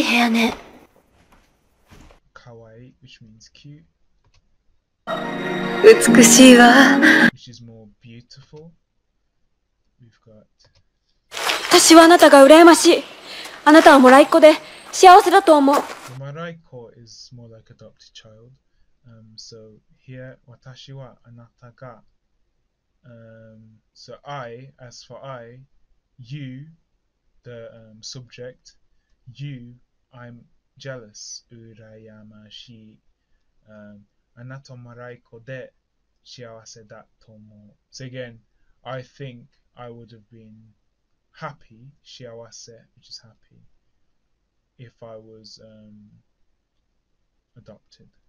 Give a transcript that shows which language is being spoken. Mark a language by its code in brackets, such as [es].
[en] Kawaii, which means cute, which is more beautiful. We've got [ja] 私はあなたが羨ましい。あなたはもらいっ子で幸せだと思う。 [en] Maraiko is more like adopted child. So here, [ja] 私はあなたが。 [en] So I, as for I, you, the subject, you, I'm jealous. [ja] 羨ましい。あなたもらいっ子で幸せだと思う。 [en] So again, I think I would have been happy, 幸せ, which is happy, if I was adopted.